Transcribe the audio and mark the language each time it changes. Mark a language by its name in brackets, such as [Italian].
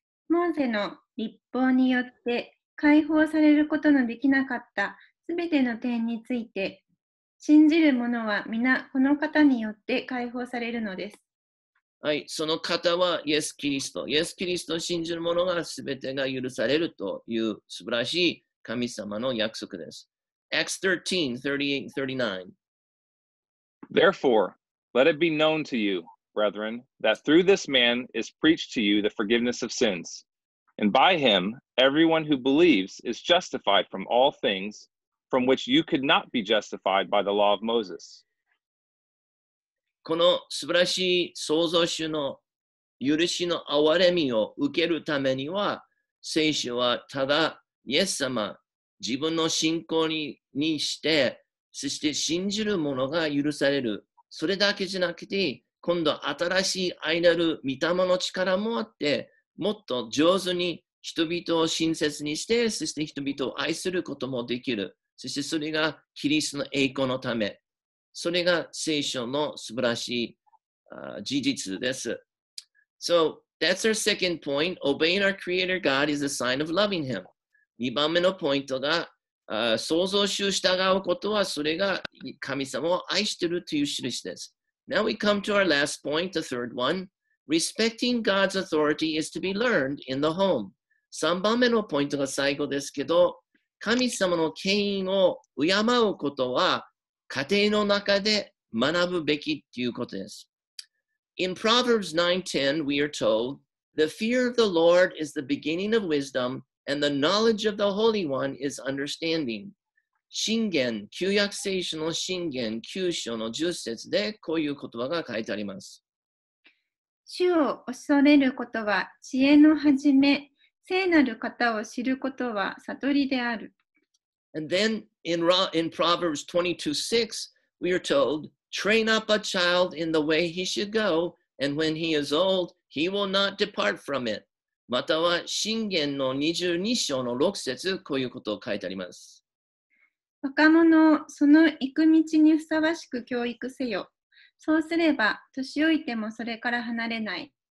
[Japanese] モーセの律法によって解放されることのできなかったすべての点について、信じる者は皆この方によって解放されるのです。はい、その方はイエス・キリスト。イエス・キリストを信じる者がすべてが許されるという素晴らしい神様の約束です。 [English] Acts 13:38-39 Therefore,Let it be known to you, brethren, that through this man is preached to you the forgiveness of sins. And by him, everyone who believes is justified from all things from which you could not be justified by the law of Moses. [Japanese] この素晴らしい創造主の許しの憐れみを受けるためには、聖書はただイエス様、自分の信仰にして、そして信じる者が許される。それだけじゃなくて、今度新しい愛なる御霊の力もあって、もっと上手に人々を親切にして、そして人々を愛することもできる。そしてそれがキリストの栄光のため。それが聖書の素晴らしい事実です。 [English] So, that's our second point. Obeying our Creator God is a sign of loving Him. [Japanese] 2番目のポイントが、創造主に従うことはそれが神様を愛しているという印です。 [English] Now we come to our last point, the third one. Respecting God's authority is to be learned in the home. [Japanese] 3番目のポイントが最後ですけど、神様の権威を敬うことは家庭の中で学ぶべきということです。 [English] In Proverbs 9:10, we are told, The fear of the Lord is the beginning of wisdom, and the knowledge of the Holy One is understanding. [Japanese] 箴言、旧約聖書の箴言9章の10節でこういう言葉が書いてあります。主を恐れることは知恵の始め、聖なる方を知ることは悟りである。 [English] And then in Proverbs 22:6, we are told, Train up a child in the way he should go, and when he is old, he will not depart from it. [Japanese] または箴言の22章の6節、こういうことを書いてあります。若者をその行く道にふさわしく教育せよ。そうすれば、年老いてもそれから離れない。